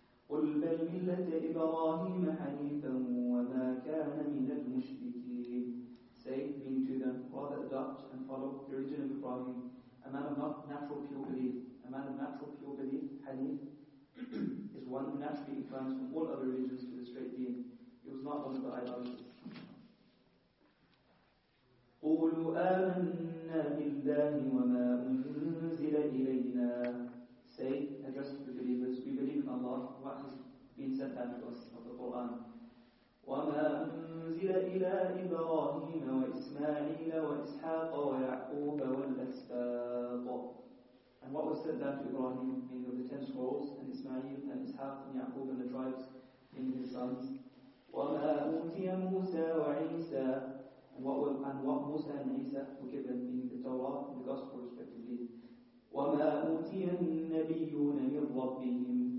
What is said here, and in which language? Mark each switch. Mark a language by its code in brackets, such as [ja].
[ar] قُلْ بَلْ مِلَّةَ إِبْرَاهِيمَ حَنِيفًا وَمَا كَانَ مِنَ الْمُشْرِكِينَ. [en] Say, meaning to them, rather adopt and follow the religion of Ibrahim, a man of not natural pure belief. A man of natural pure belief, Hanif, is one who naturally inclines from all other religions to the straight being. He was not one of the idolaters. [ar] قولوا آمنا بالله وما أنزل إلينا. [en] Say, address to the believers, we believe in Allah, what has been sent down to us of the Quran. [ar] وما أنزل إلى إبراهيم وإسماعيل وإسحاق ويعقوب والأسباط. [en] And what was sent down to Ibrahim, meaning of the 10 scrolls, and Ismail and Ishaq and Yaqub and the tribes, meaning his sons. [ar] وما أوتي موسى وعيسى. [en] And what Musa and Isa were given, meaning the Torah and the Gospel respectively. [ar] وَمَا أُوتِيَ النَّبِيُّونَ مِنْ رَبِّهِمْ.